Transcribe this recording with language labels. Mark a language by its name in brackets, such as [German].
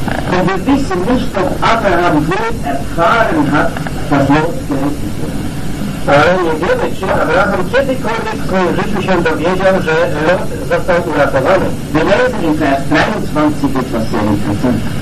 [German] Denn wir wissen nicht, ob Abraham wohl erfahren hat, dass Lot gerettet wurde. [Polish] Ale nie wiemy, czy Abraham kiedykolwiek w swoim życiu się dowiedział, że Lot został uratowany. [German] Wir lesen in Vers 23 etwas sehr interessant.